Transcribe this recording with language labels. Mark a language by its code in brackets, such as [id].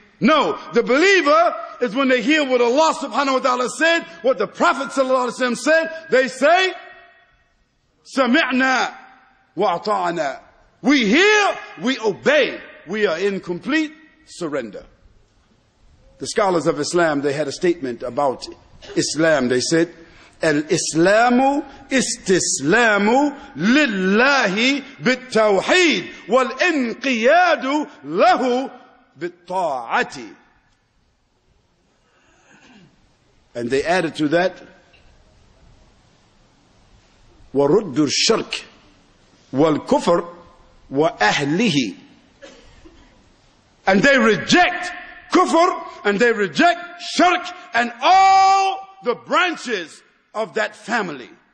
[en] No, the believer is when they hear what Allah subhanahu wa ta'ala said, what the Prophet sallallahu alaihi wasallam said, they say, [ar] سَمِعْنَا وَأَطَعْنَا. [en] We hear, we obey. We are in complete surrender. The scholars of Islam, they had a statement about Islam. They said, [ar] الْإِسْلَامُ إِسْتِسْلَامُ لِلَّهِ بِالتَّوْحِيدِ وَالْإِنْقِيَادُ لَهُ بِالطَّاعَةِ. [en] And they added to that, [ar] وَرُدُّ الشَّرْكِ وَالْكُفْرِ وَأَهْلِهِ. [en] And they reject kufr, and they reject shirk, and all the branches of that family.